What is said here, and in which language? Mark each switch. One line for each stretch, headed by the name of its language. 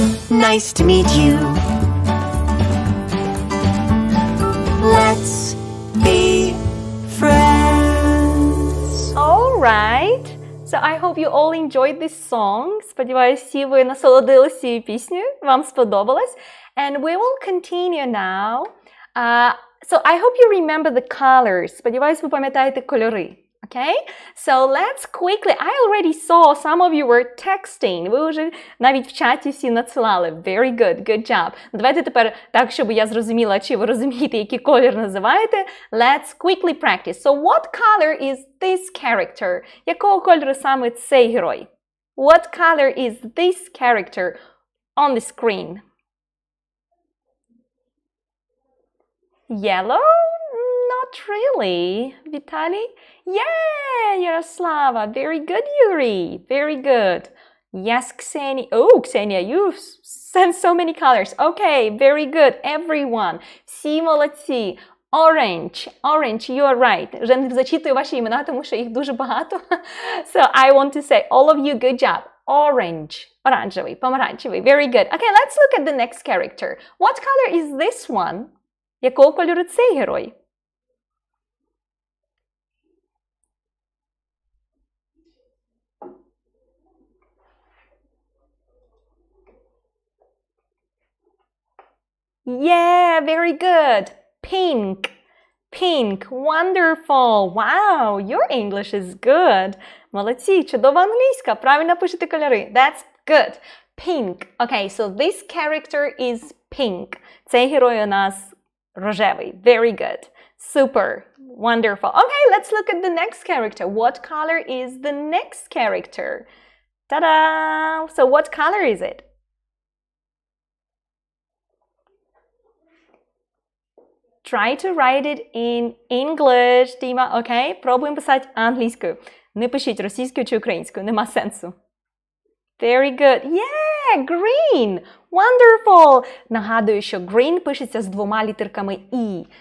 English: Nice to meet you. Let's be friends. All right. So I hope you all enjoyed this song.
Ukrainian: Сподіваюся, ви насолодилися цією піснею, вам сподобалось.
English: And we will continue now. So I hope you remember the colors.
Ukrainian: Сподіваюся, ви пам'ятаєте кольори.
English: Okay, so let's quickly, I already saw some of you were texting.
Ukrainian: Ви вже навіть в чаті всі надсилали.
English: Very good, good job.
Ukrainian: Давайте тепер так, щоб я зрозуміла, чи ви розумієте, який колір називаєте.
English: Let's quickly practice. So what color is this character? Якого кольору саме цей герой? What color is this character on the screen? Yellow? Not really, Vitaly. Yeah, Yaroslava. Very good, Yuri. Very good. Yes, Ксения. Oh, Ксения, you sent so many colors. Okay, very good, everyone.
Ukrainian: Всі молодці.
English: Orange. Orange, you are right.
Ukrainian: Вже не зачитую ваші імена, тому що їх дуже багато.
English: So I want to say all of you, good job. Orange.
Ukrainian: Оранжевий, помаранчевий.
English: Very good. Okay, let's look at the next character. What color is this one? Якого кольору цей герой? Yeah, very good. Pink. Pink. Wonderful. Wow, your English is good.
Ukrainian: Молодці, чудова англійська. Правильно пишете кольори.
English: That's good.
Ukrainian: Pink.
English: Okay, so this character is pink.
Ukrainian: Цей герой у нас рожевий.
English: Very good. Super. Wonderful. Okay, let's look at the next character. What color is the next character? Ta-da! So what color is it? Try to write it in English, Dima.
Ukrainian: Okay, пробуємо писати англійською. Не пишіть російською чи українською, нема сенсу.
English: Very good. Yeah, green. Wonderful.
Ukrainian: Нагадую, що green пишеться з двома літерками E.